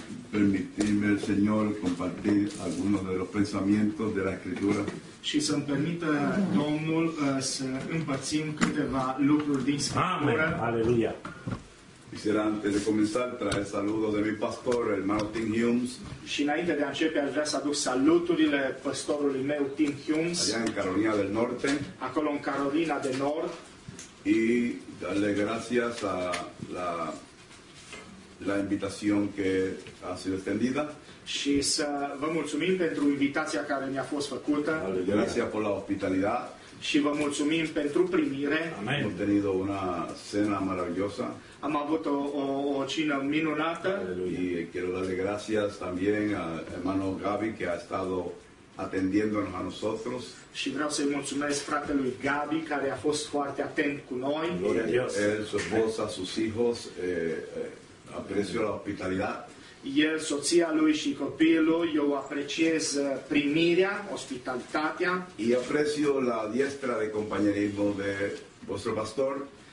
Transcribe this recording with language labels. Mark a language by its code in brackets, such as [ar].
[es] Permitirme el Señor compartir algunos de los pensamientos de la Escritura. [ro] Și să-mi permită Domnul să împărțim câteva lucruri din Scriptură. Amen. Aleluia. [es] Quisiera antes de comenzar traer saludos de mi pastor, el hermano Tim Humes. [ro] Și înainte de a începe, aș vrea să aduc saluturile pastorului meu, Tim Humes. [es] Allá en Carolina del Norte. [ro] Acolo în Carolina de Nord. [es] Y darle gracias a la invitación que ha sido extendida. [ro] Și să vă mulțumim pentru invitația care mi-a fost făcută. [es] Gracias por la hospitalidad. [ro] Și vă mulțumim pentru primire. Amen. [es] Hemos tenido una cena maravillosa. [ro] Am avut o cină minunată. [es] Y quiero darle gracias también a hermano Gabi que ha estado atendiéndonos a nosotros. [ro] Și vreau să-i mulțumesc fratelui Gabi care a fost foarte atent cu noi. [es] Gloria a Dios. Él, su esposa, sus hijos, aprecio la hospitalidad. [ro] El, soția lui și copilul, eu apreciez primirea, ospitalitatea. [es] Y aprecio la diestra de compañerismo de vuestro pastor.